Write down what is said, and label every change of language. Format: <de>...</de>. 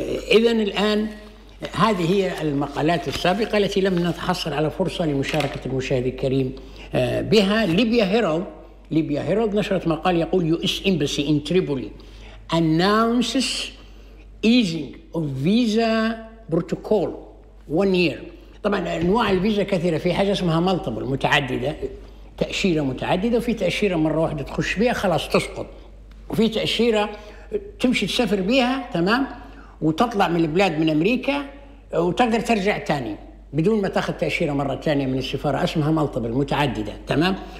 <ar>إذن الآن هذه هي المقالات السابقة التي لم نتحصل على فرصة لمشاركة المشاهد الكريم بها. ليبيا هيرالد نشرت مقال يقول</ar> <en>US Embassy in Tripoli announces easing of visa protocol 1 year.</en> <ar>طبعا انواع الفيزا كثيره، في حاجه اسمها ملتيبل متعدده، تاشيره متعدده، وفي تاشيره مره واحده تخش بها خلاص تسقط. وفي تأشيرة تمشي تسافر بيها تمام، وتطلع من البلاد من أمريكا وتقدر ترجع تاني بدون ما تأخذ تأشيرة مرة تانية من السفارة، اسمها ملطبة المتعددة تمام.</ar>